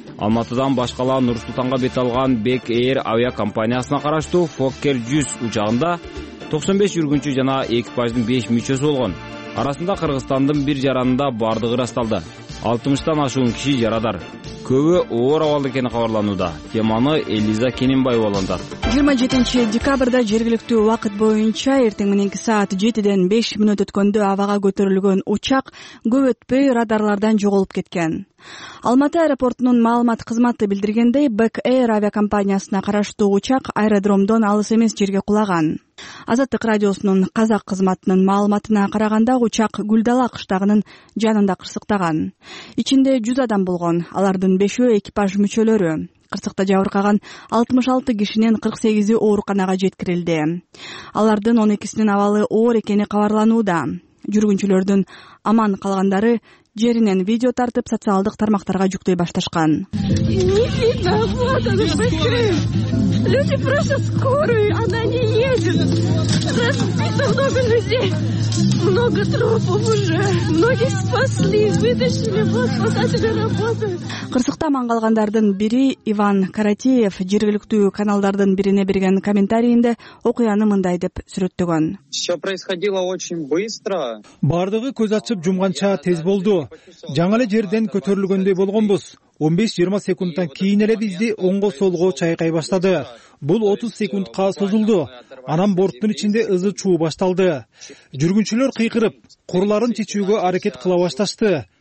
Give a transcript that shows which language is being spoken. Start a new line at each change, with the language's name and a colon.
Kyrgyz: Алматыдан башкала Нур Султанга бет алган Бек Эйр авиакомпаниясына караштуу Фоккер 100 учагында 95 жүргүнчү жана экипаждын 5 мүчөсү болгон. Арасында Кыргызстандын бир жаранында бардыгы ырасталды. 60 ашуун киши жарадар. Көбү оор абалда экени кабарланууда. Теманы Элиза Кененбаева улантат. 27 декабрда жергиликтүү убакыт боюнча эртең мененки саат 7:05 өткөндө абага көтөрүлгөн учак көп өтпөй радарлардан жоголуп кеткен. Алматы аэропортунун маалымат кызматы билдиргендей, Бек Эйр авиакомпаниясына караштуу учак аэродромдон алыс эмес жерге кулаган. Азаттык радиосунун казак кызматынын маалыматына караганда, учак Гүлдала кыштагынын жанында кырсыктаган. Ичинде 100 адам болгон, алардын 5 экипаж мүчөлөрү. Кырсыкта жабыркаган 66 кишинин 48 ооруканага жеткирилди. Алардын 12 абалы оор экени кабарланууда. Жүргүнчүлөрдүн аман калгандары жеринен видео тартып социалдык тармактарга жүктөй башташкан.
Russian: Люди просто скорую, она не едет. Много людей, много трупов уже. Многих спасли, вытащили, вот спасатели работают.
Kyrgyz: Кырсыкта аман калгандардын бири Иван Каратеев жергиликтүү каналдардын бирине берген комментарийинде окуяны мындай деп сүрөттөгөн.
Russian: Все происходило очень быстро.
Kyrgyz: Бардыгы көз ачып жумганча тез болду. Жаңы эле жерден көтөрүлгөндөй болгонбуз. 15-20 секундтан кийин эле бизди оңго солго чайкай баштады. Бул 30 секундка созулду. Анан борттун ичинде ызы чуу башталды. Жүргүнчүлөр кыйкырып, курларын чечүүгө аракет кыла башташты.